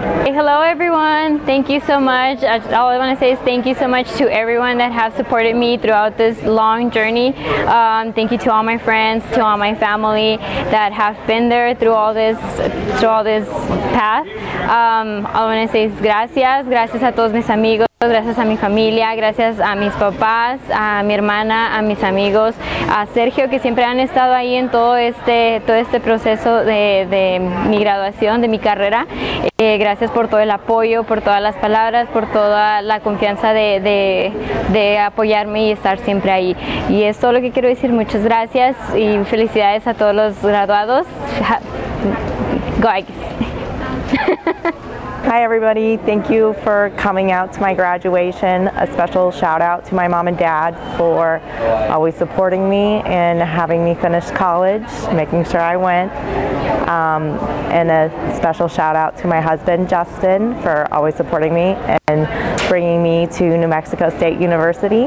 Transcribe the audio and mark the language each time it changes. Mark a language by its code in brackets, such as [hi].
[en] Hey, hello everyone. Thank you so much. All I want to say is thank you so much to everyone that have supported me throughout this long journey. Thank you to all my friends, to all my family that have been there through all this path. All I want to say is gracias. [es] Gracias a todos mis amigos. Gracias a mi familia, gracias a mis papás, a mi hermana, a mis amigos, a Sergio, que siempre han estado ahí en todo este proceso de mi graduación, de mi carrera. Gracias por todo el apoyo, por todas las palabras, por toda la confianza de apoyarme y estar siempre ahí. Y es todo lo que quiero decir. Muchas gracias y felicidades a todos los graduados. [en] Go Aggies. Hi everybody, thank you for coming out to my graduation. A special shout out to my mom and dad for always supporting me and having me finish college, making sure I went. And a special shout out to my husband, Justin, for always supporting me and bringing me to New Mexico State University.